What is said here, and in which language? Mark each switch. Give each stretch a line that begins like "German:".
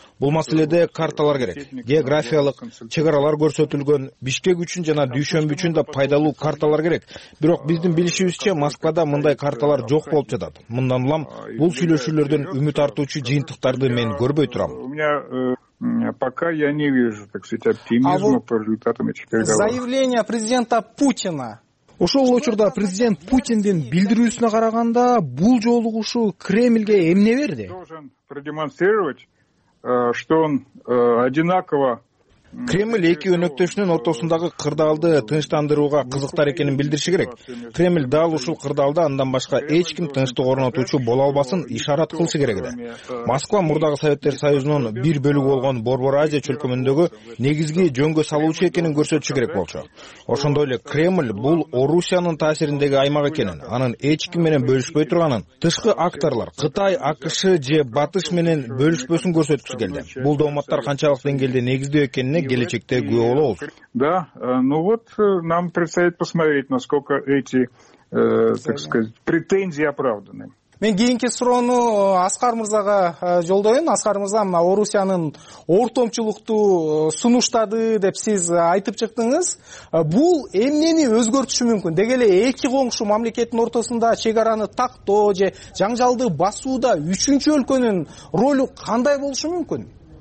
Kyrgyz: Бул маселеде карталар керек. Географиялык чек аралар көрсөтүлгөн, Бишкек үчүн жана Дүйшөмбү үчүн да пайдалуу карталар керек. Бирок биздин билишибизче Москвада мындай карталар жок болуп жатат. Мындан улам бул сүйлөшүүлөрдөн үмүт артуучу жыйынтыктарды мен көрбөй турам.
Russian: Пока я не вижу, так сказать, оптимизма по результатам этих переговоров. Заявление президента Путина.
Kyrgyz: Ошол учурда президент Путиндин билдирүүсүнө караганда бул жолугушу Кремльге эмне берди?
Russian: Должен продемонстрировать, что он одинаково
Kyrgyz: Кремль эки өнөктөшүнүн ортосундагы кырдаалды тынчтандырууга кызыктар экенин билдирши керек. Кремль дал ушул кырдаалда андан башка эч ким тынчтык орнотуучу боло албасын ишарат кылышы керек эле. Москва мурдагы Советтер Союзунун бир бөлүгү болгон Борбор Азия чөлкөмүндөгү негизги жөнгө салуучу экенин көрсөтүшү керек болчу. Ошондой эле Кремль бул Орусиянын таасириндеги аймак экенин, анын эч ким менен бөлүшпөй турганын, тышкы акторлор Кытай, АКШ же Батыш менен бөлүшпөсүн көрсөткүсү келди. Бул дооматтар канчалык деңгээлде негиздүү экенине келечекте күбө болобуз.
Russian: Да, ну вот нам предстоит посмотреть, насколько эти, так сказать, претензии оправданы.
Kyrgyz: Мен кийинки суроону Аскар мырзага жолдойюн. Аскар мырза, мына Орусиянын ортомчулуктуу сунуштады деп сиз айтып чыктыңыз. Бул эмнени өзгөртүшү мүмкүн? Деги эле эки коңшу мамлекеттин ортосунда чек араны тактоо же жаңжалды басууда үчүнчү өлкөнүн ролу кандай болушу мүмкүн?